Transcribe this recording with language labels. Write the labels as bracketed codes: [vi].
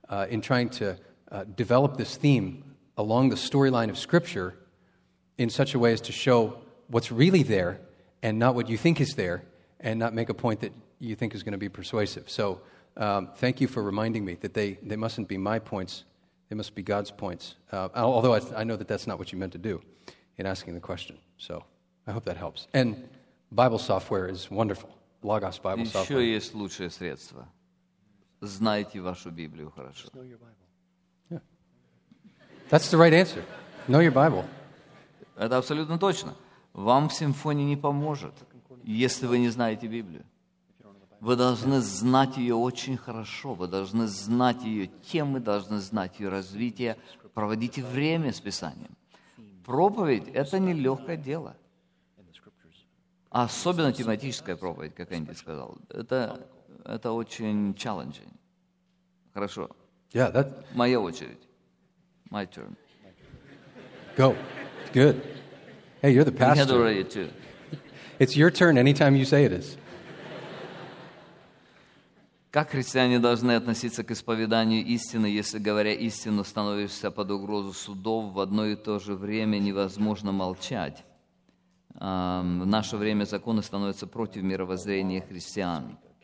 [en] In trying to develop this theme along the storyline of Scripture in such a way as to show what's really there and not what you think is there, and not make a point that you think is going to be persuasive. So thank you for reminding me that they mustn't be my points, they must be God's points, although I know that that's not what you meant to do in asking the question. So I hope that helps. And Bible software is wonderful. Logos Bible [ru] Еще [en] software. [ru] Еще есть лучшее средство. Знайте вашу Библию хорошо. [en] Just know your Bible. Yeah. That's the right answer. Know your Bible. [ru] Это абсолютно точно. Вам симфония не поможет. Если вы не знаете Библию, вы должны знать ее очень хорошо, вы должны знать ее темы, должны знать ее развитие, проводите время с Писанием. Проповедь – это нелегкое дело. Особенно тематическая проповедь, как Энди сказал. Это очень [en] challenging. [ru] Хорошо. [en] Yeah, that... [ru] Моя очередь. [en] My turn. Go. Good. Hey, you're the pastor. We had already two. It's your turn anytime you say it is. [ru] Как христиане должны относиться к исповеданию истины, если, говоря истину, становишься под угрозу судов, в одно и то же время невозможно молчать? В наше время законы становятся против мировоззрения христиан.